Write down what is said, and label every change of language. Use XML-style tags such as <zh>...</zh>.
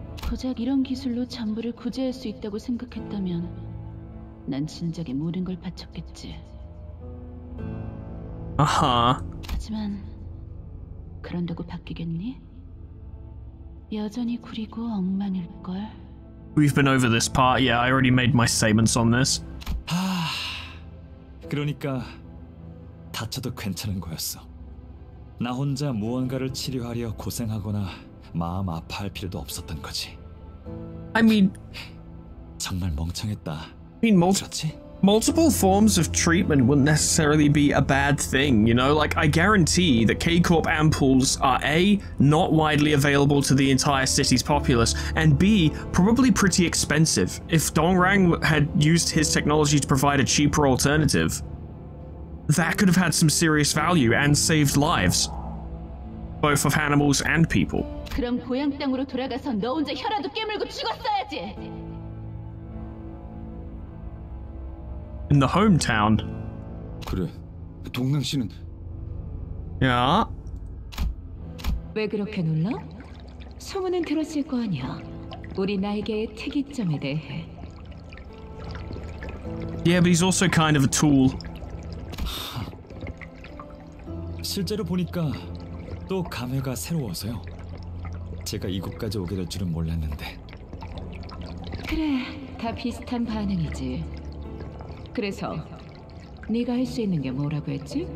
<ko>고작 이런 기술로 전부를 구제할 수 있다고 생각했다면 난 진작에 모든 걸 바쳤겠지. 아하. 하지만 그런다고 바뀌겠니? 여전히 구리고 엉망일걸?</ko> <en>We've been over this part. Yeah, I already made my statements on this.</en> <ko>하... 그러니까 다쳐도 괜찮은 거였어. 나 혼자 무언가를 치료하려 고생하거나 마음 아파할 필요도 없었던 거지.</ko> <en>I mean...</en> <ko>정말 멍청했다.</ko> <en>I mean, multiple forms of treatment wouldn't necessarily be a bad thing, you know? Like, I guarantee that K-Corp ampoules are A, not widely available to the entire city's populace, and B, probably pretty expensive. If Dong Rang had used his technology to provide a cheaper alternative, that could have had some serious value and saved lives, both of animals and people.</en> <ko>그럼 고향 땅으로 돌아가서 너 혼자 혀라도 깨물고 죽었어야지.</ko> <en>In the hometown.</en> <ko>그래. 동랑 씨는. 야. 왜 그렇게 놀라? 소문은 들었을 거 아니야. 우리 나에게의 특이점에 대해.</ko> <en>Yeah, but he's also kind of a tool.</en> <ko>실제로 보니까 또 감회가 새로워서요. 제가 이곳까지 오게 될 줄은 몰랐는데. 그래, 다 비슷한 반응이지. 그래서 네가 할 수 있는 게 뭐라고 했지?</ko>